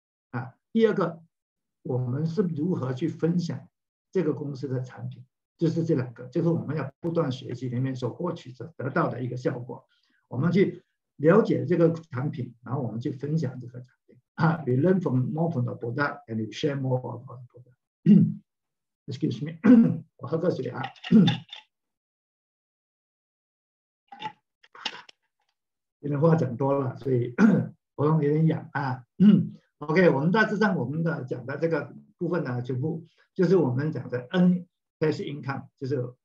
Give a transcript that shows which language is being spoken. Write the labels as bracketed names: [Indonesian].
[Chinese] 啊，第二个，我们是如何去分享这个公司的产品。就是这两个，就是我们要不断学习里面所获取者得到的一个效果。我们去了解这个产品，然后我们去分享这个产品。 [English] We learn from more from the product and we share more about the product. [Chinese] Excuse me, 我喝个水啊。今天话讲多了，所以喉咙有点痒啊。 OK, 我们大致上我们的讲的这个部分呢，全部就是我们讲的 N。Passive income 就是